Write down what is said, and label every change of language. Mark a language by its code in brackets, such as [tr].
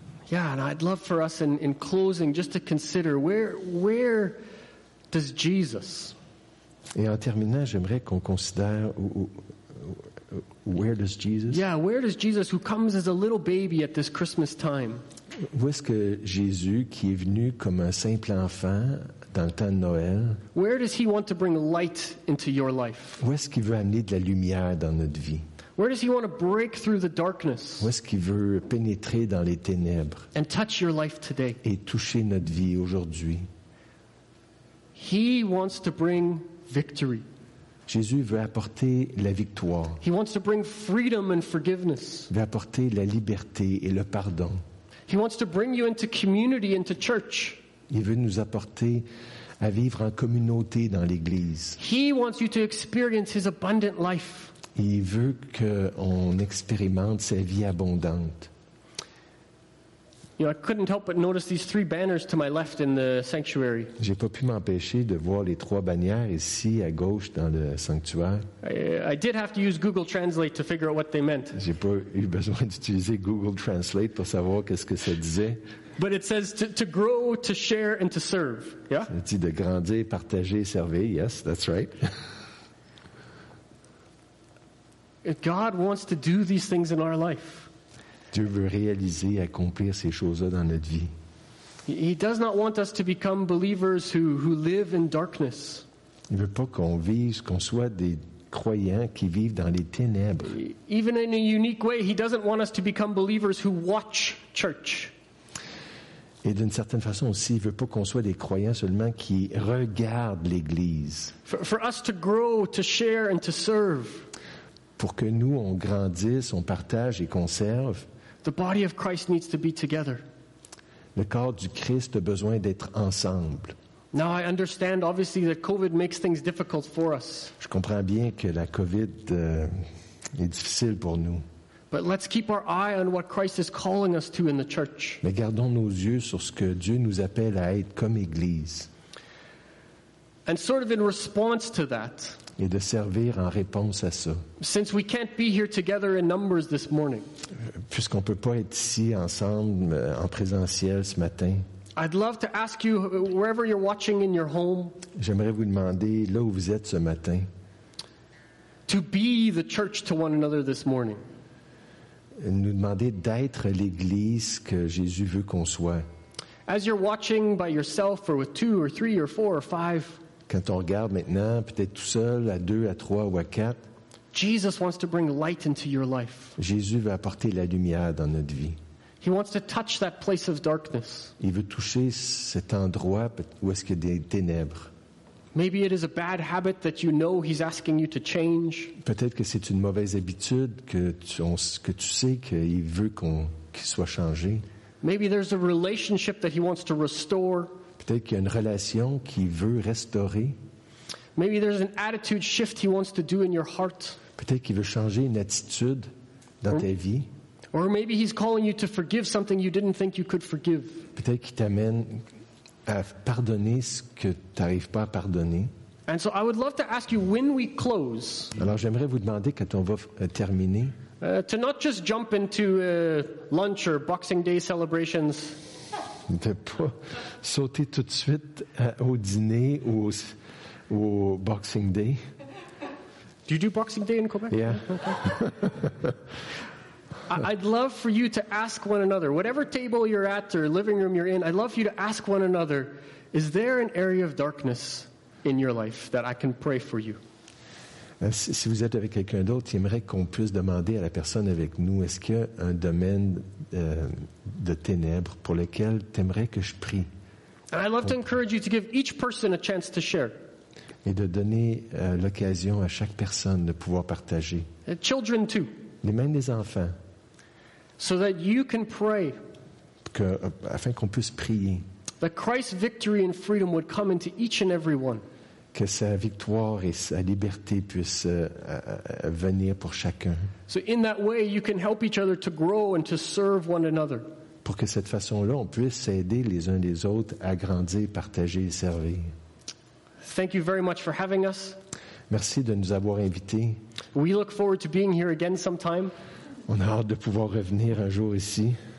[en] Yeah, and I'd love for us in closing just to consider where does Jesus? [fr] Et en terminant, j'aimerais qu'on considère [en] where does Jesus? Yeah, where does Jesus, who comes as a little baby at this Christmas time? [fr] Où est-ce que Jésus qui est venu comme un simple enfant dans le temps de Noël? [en] Where does he want to bring light into your life? [fr] Où est-ce qu'il veut amener de la lumière dans notre vie? [en] Where does he want to break through the darkness? [fr] Où est-ce qu'il veut pénétrer dans les ténèbres? [en] And touch your life today. [fr] Et toucher notre vie aujourd'hui. [en] He wants to bring victory. [fr] Jésus veut apporter la victoire. [en] He wants to bring freedom and forgiveness. [fr] Il veut apporter la liberté et le pardon. [en] He wants to bring you into community, into church. [fr] Il veut nous apporter à vivre en communauté dans l'église. [en] He wants you to experience his abundant life. [fr] Il veut qu'on expérimente sa vie abondante. [en] You know, I couldn't help but notice these three banners to my left in the sanctuary. [fr] J'ai pas pu m'empêcher de voir les trois bannières ici à gauche dans le sanctuaire. [en] I did have to use Google Translate to figure out what they meant. [fr] J'ai pas eu besoin d'utiliser Google Translate pour savoir qu'est-ce que ça disait. [en] But it says to grow, to share, and to serve. Yeah. [fr] Ça dit de grandir, partager, servir. [en] Yes, that's right. God wants to do these things in our life. [fr] Dieu veut réaliser, accomplir ces choses-là dans notre vie. [en] He does not want us to become believers who live in darkness. [fr] Il veut pas qu'on soit des croyants qui vivent dans les ténèbres. [en] Even in a unique way, he doesn't want us to become believers who watch church. [fr] Et d'une certaine façon aussi, il veut pas qu'on soit des croyants seulement qui regardent l'Église. [en] For us to grow, to share, and to serve. [fr] Pour que nous, on grandisse, on partage et qu'on serve. [en] The body of Christ needs to be together. [fr] Le corps du Christ a besoin d'être ensemble. [en] Now I understand, obviously, that COVID makes things difficult for us. [fr] Je comprends bien que la COVID est difficile pour nous. [en] But let's keep our eye on what Christ is calling us to in the church. [fr] Mais gardons nos yeux sur ce que Dieu nous appelle à être comme Église. [en] And sort of in response to that, [fr] et de servir en réponse à ça. [en] Since we can't be here together in numbers this morning, [fr] puisqu'on peut pas être ici ensemble en présentiel ce matin, [en] I'd love to ask you, wherever you're watching in your home, [fr] j'aimerais vous demander là où vous êtes ce matin, [en] to be the church to one another this morning, [fr] nous demander d'être l'église que Jésus veut qu'on soit. [en] As you're watching by yourself or with 2 or 3 or 4 or 5. [fr] Quand on regarde maintenant, peut-être tout seul, à 2, à 3 ou à 4. [en] Jesus wants to bring light into your life. [fr] Jésus veut apporter la lumière dans notre vie. [en] He wants to touch that place of darkness. [fr] Il veut toucher cet endroit où est-ce qu'il y a des ténèbres. [en] Maybe it is a bad habit that you know he's asking you to change. [fr] Peut-être que c'est une mauvaise habitude que tu sais qu'il veut qu'il soit changé. [en] Maybe there's a relationship that he wants to restore. [fr] Peut-être qu'il y a une relation qu'il veut restaurer. [en] Maybe there's an attitude shift he wants to do in your heart. [fr] Peut-être qu'il veut changer une attitude dans ta vie. [en] Or maybe he's calling you to forgive something you didn't think you could forgive. [fr] Peut-être qu'il t'amène à pardonner ce que tu n'arrives pas à pardonner. [en] And so I would love to ask you when we close. [fr] Alors j'aimerais vous demander quand on va terminer. [en] To not just jump into lunch or Boxing Day celebrations. [fr] De pas sauter tout de suite au dîner ou au Boxing Day. [en] Do you do Boxing Day in Quebec? Yeah. Okay. I'd love for you to ask one another, whatever table you're at or living room you're in, I'd love for you to ask one another, is there an area of darkness in your life that I can pray for you? [fr] Si vous êtes avec quelqu'un d'autre, j'aimerais qu'on puisse demander à la personne avec nous, est-ce qu'il y a un domaine de ténèbres pour lequel tu aimerais que je prie? [en] And I'd love to encourage you to give each person a chance to share. [fr] Et de donner l'occasion à chaque personne de pouvoir partager. [en] Children too. [fr] Les mêmes des enfants. [en] So that you can pray. [fr] Afin qu'on puisse prier. [en] That Christ's victory and freedom would come into each and every one. [fr] Que sa victoire et sa liberté puissent venir pour chacun. [en] So in that way, you can help each other to grow and to serve one another. [fr] Pour que cette façon-là, on puisse aider les uns les autres à grandir, partager et servir. [en] Thank you very much for having us. [fr] Merci de nous avoir invités. [en] We look forward to being here again sometime. [fr] On a hâte de pouvoir revenir un jour ici.